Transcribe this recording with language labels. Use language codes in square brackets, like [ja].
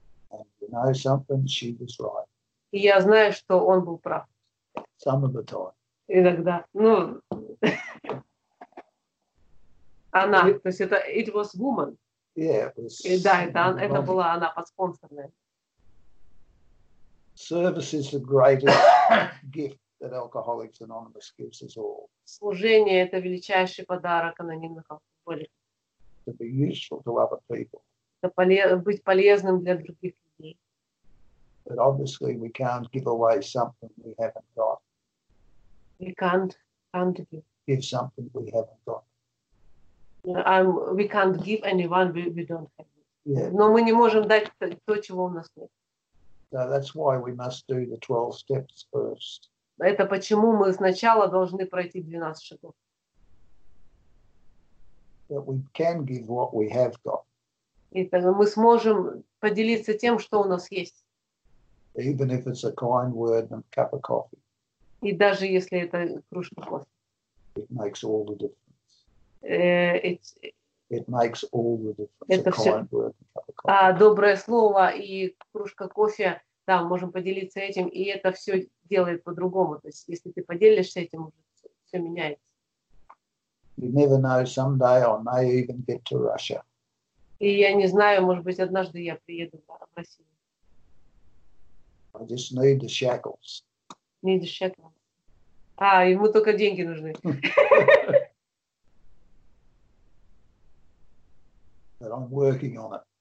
[en] And you know something, she was right. [ru] И я знаю, что он был прав. [en] Some of the time. [ru] Иногда. Ну, она, то есть это [en] it was woman. Yeah, it was. [ru] Да, это была она, подспонсорная. [en] Service is the greatest gift that Alcoholics Anonymous gives us all. [ru] Служение – это величайший подарок анонимных алкоголиков. [en] To be useful to other people. [ru] Быть полезным для других людей. [en] But obviously we can't give away something we haven't got. We can't give something we haven't got. We can't give anyone we don't have. Yeah. [ru] Но мы не можем дать то, чего у нас нет. [en] So that's why we must do the 12 steps first. [ru] Это почему мы сначала должны пройти 12 шагов. [en] That we can give what we have got. [ru] И тогда мы сможем поделиться тем, что у нас есть. [en] Even if it's a kind word and a cup of coffee. [ru] И даже если это кружка кофе. [en] It makes all the difference. It makes all the difference. [ru] Это все. А доброе слово и кружка кофе, да, можем поделиться этим, и это все делает по-другому. То есть, если ты поделишься этим, все все меняется. [en] You never know, someday I may even get to Russia. [ru] И я не знаю, может быть, однажды я приеду в Россию. [en] I just need the shackles. Need the shackles. [ru] А, ему только деньги нужны. [en] But I'm working on it.